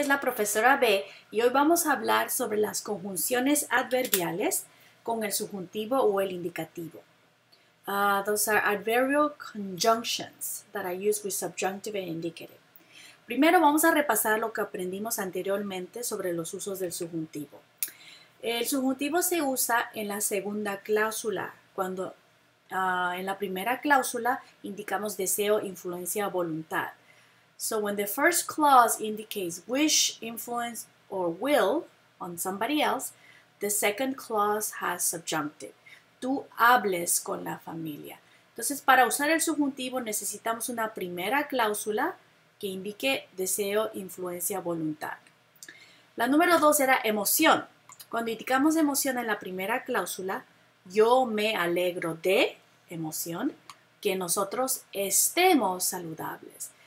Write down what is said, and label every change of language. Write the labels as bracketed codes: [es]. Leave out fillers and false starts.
[es] Es la profesora B y hoy vamos a hablar sobre las conjunciones adverbiales con el subjuntivo o el indicativo. [en] Those are adverbial conjunctions that are used with subjunctive and indicative. [es] Primero vamos a repasar lo que aprendimos anteriormente sobre los usos del subjuntivo. El subjuntivo se usa en la segunda cláusula, cuando en la primera cláusula indicamos deseo, influencia o voluntad. [en] So when the first clause indicates wish, influence, or will on somebody else, the second clause has subjunctive. [es] Tú hables con la familia. Entonces, para usar el subjuntivo necesitamos una primera cláusula que indique deseo, influencia, voluntad. La número dos era emoción. Cuando indicamos emoción en la primera cláusula, yo me alegro de emoción que nosotros estemos saludables.